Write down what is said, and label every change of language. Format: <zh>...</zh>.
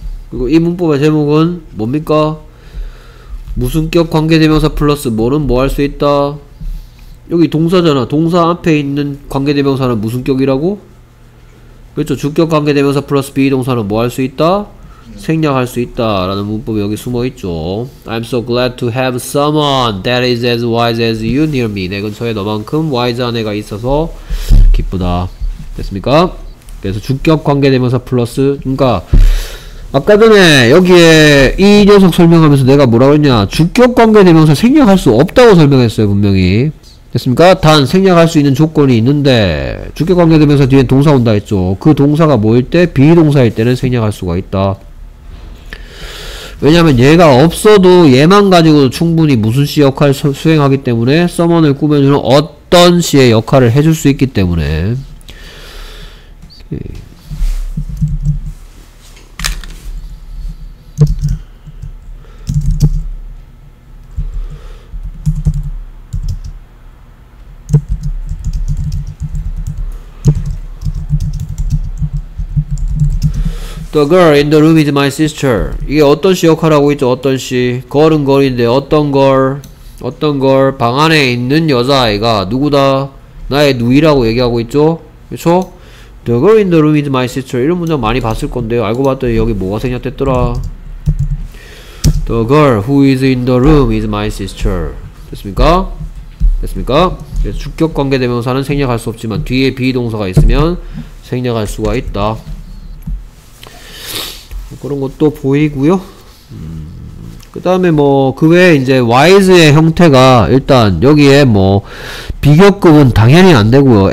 <ko>그리고 이 문법의 제목은 뭡니까? 무슨격 관계대명사 플러스 뭐는 뭐 할 수 있다. 여기 동사잖아. 동사 앞에 있는 관계대명사는 무슨격이라고? 그렇죠. 주격 관계대명사 플러스 비동사는 뭐 할 수 있다? 생략할 수 있다 라는 문법이 여기 숨어있죠.</ko> <en>I'm so glad to have someone that is as wise as you near me.</en> <ko>내 근처에 너만큼 wise한 애가 있어서 기쁘다. 됐습니까? 그래서 주격 관계대명사 플러스, 그러니까 아까 전에 여기에 이 녀석 설명하면서 내가 뭐라고 했냐, 주격 관계 대명사 생략할 수 없다고 설명했어요. 분명히 됐습니까? 단 생략할 수 있는 조건이 있는데, 주격 관계 대명사 뒤엔 동사 온다 했죠. 그 동사가 뭐일 때? 비동사일 때는 생략할 수가 있다. 왜냐면 얘가 없어도 얘만 가지고도 충분히 무슨 씨 역할을 수행하기 때문에, 서먼을 꾸며주는 어떤 씨의 역할을 해줄 수 있기 때문에.</ko> <en>'The girl in the room is my sister.'</en> <ko>이게 어떤 씨 역할하고 있죠? 어떤 씨? 걸은 걸인데 어떤 걸 방 안에 있는 여자아이가 누구다? 나의 누이라고 얘기하고 있죠? 그쵸?</ko> <en>'The girl in the room is my sister.'</en> <ko>이런 문장 많이 봤을 건데요. 알고 봤더니 여기 뭐가 생략됐더라.</ko> <en>'The girl who is in the room is my sister.'</en> <ko>됐습니까? 그래서 주격 관계대명사는 생략할 수 없지만 뒤에 비동사가 있으면 생략할 수가 있다. 그런 것도 보이고요. 그 다음에 뭐 그 외에 이제 wise의 형태가 일단 여기에 뭐 비교급은 당연히 안 되고요.</ko>